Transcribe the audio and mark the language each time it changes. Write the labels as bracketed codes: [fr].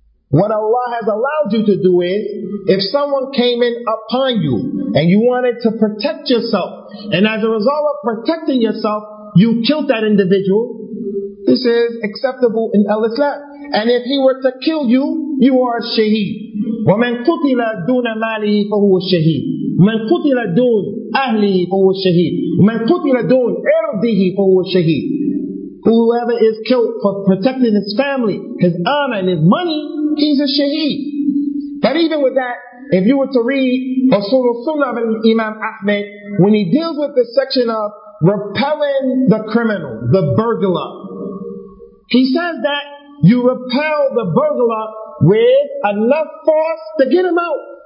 [en] What Allah has allowed you to do is, if someone came in upon you and you wanted to protect yourself, and as a result of protecting yourself, you killed that individual, This is acceptable in al-Islam. And if he were to kill you, you are a shaheed. [ar] وَمَنْ قُتِلَ دُونَ مَالِهِ فَهُوَ الشَّهِيدُ مَنْ قُتِلَ دُونَ أَهْلِهِ فَهُوَ الشَّهِيدُ مَنْ قُتِلَ دُونَ إِرْضِهِ فَهُوَ الشَّهِيدُ [en] Whoever is killed for protecting his family, his honor and his money, he's a shaheed. But even with that, if you were to read Usul al-Sunnah of Imam Ahmed, when he deals with the section of repelling the criminal, the burglar, he says that you repel the burglar with enough force to get him out.